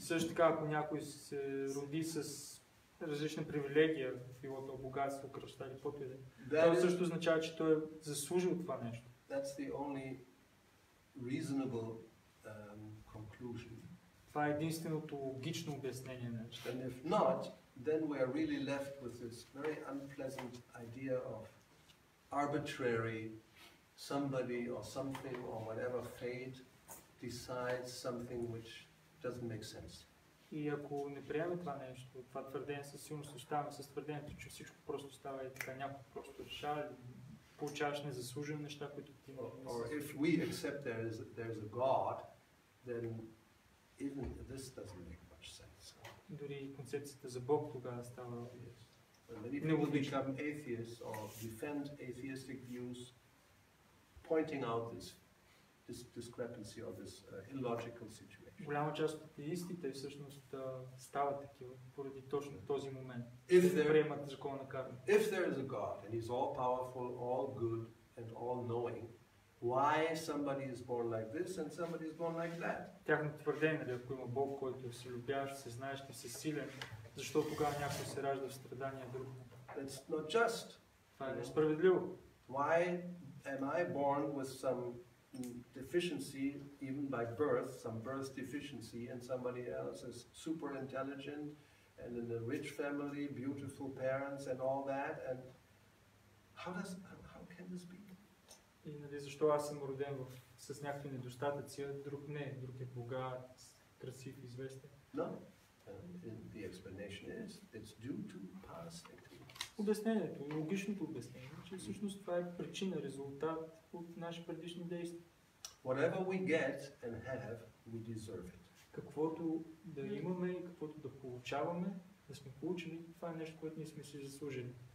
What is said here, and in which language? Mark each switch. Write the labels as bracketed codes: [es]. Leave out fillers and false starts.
[bg] Също така, ако някой се роди с различна привилегия, било то богатство, кръста или каквото и да е, това също означава, че той е заслужил това нещо. [en] That's the only reasonable conclusion. [bg] Това е единственото логично обяснение на нещо. [en] And if not, then we are really left with this very unpleasant idea of arbitrary somebody or something or whatever fate decides something which doesn't make sense. [bg] И ако не приемем това нещо, това твърдение със сигурност оставаме с твърдението, че всичко просто става и така, някой просто решава, получаваш незаслужени неща, които ти не си. [en] Or if we accept there is a God, then even this doesn't make much sense. [bg] Дори концепцията за Бог тогава става нелогична. [en] Become atheists or defend atheistic views, pointing out this discrepancy or this illogical situation. [bg] Голяма част от атеистите всъщност стават такива поради точно този момент. [en] If there is a God and he's all powerful, all good and all knowing, why somebody is born like this and somebody is born like that? [bg] Тяхното твърдение, че ако има Бог, който е вселюбящ, всезнаещ и всесилен, защо тогава някой се ражда в страдания, друг? [en] That's not just. [bg] Това е несправедливо. [en] Why am I born with some deficiency, even by birth, some birth deficiency, and somebody else is super intelligent and in a rich family, beautiful parents and all that, and how can this be? [bg] И нали защо аз съм роден с някакви недостатъци, а друг не, друг е богат, красив, известен? [en] No. The explanation is, it's due to past activities. [bg] Обяснението, логичното обяснение, че всъщност това е причина, резултат от наши предишни действия. [en] Whatever we get and have, we deserve it. [bg] Каквото да имаме и каквото да получаваме, да сме получили, това е нещо, което ние сме си заслужили.